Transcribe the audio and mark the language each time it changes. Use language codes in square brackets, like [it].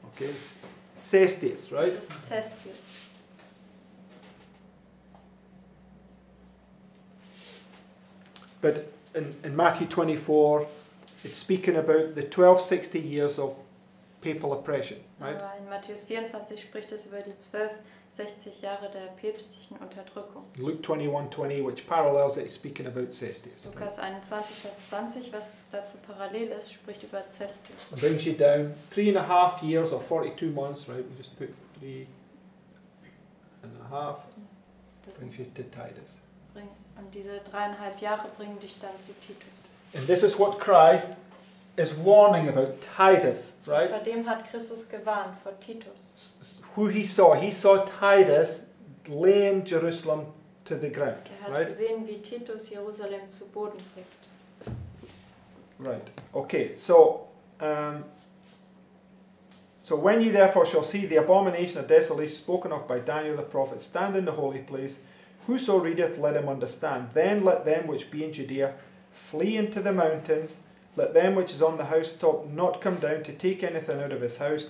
[en] Okay, it's Cestius, right? [de] Das ist Cestius. [en] But in Matthew 24, it's speaking about the 1260 years of papal oppression, right? [de] Aber in Matthäus 24 spricht es über die 1260 Jahre der päpstlichen Unterdrückung. [en] Luke 21:20, which parallels it, is speaking about Cestius. [de] Lukas, right? 21, Vers 20, was dazu parallel ist, spricht über Cestius. [en] And brings you down 3.5 years or 42 months, right? We just put 3.5, brings you to Titus. [de] Und diese 3.5 Jahre bringen dich dann zu Titus. [en] And this is what Christ is warning about Titus, right? [de] Vor dem hat Christus gewarnt, vor Titus. [en] Who he saw. He saw Titus laying Jerusalem to the ground. [de] Er hat gesehen, wie Titus Jerusalem zu Boden fegt. [en] Right. Okay. So when you therefore shall see the abomination of desolation spoken of by Daniel the prophet stand in the holy place, whoso readeth, let him understand. Then let them which be in Judea flee into the mountains. Let them which is on the housetop not come down to take anything out of his house.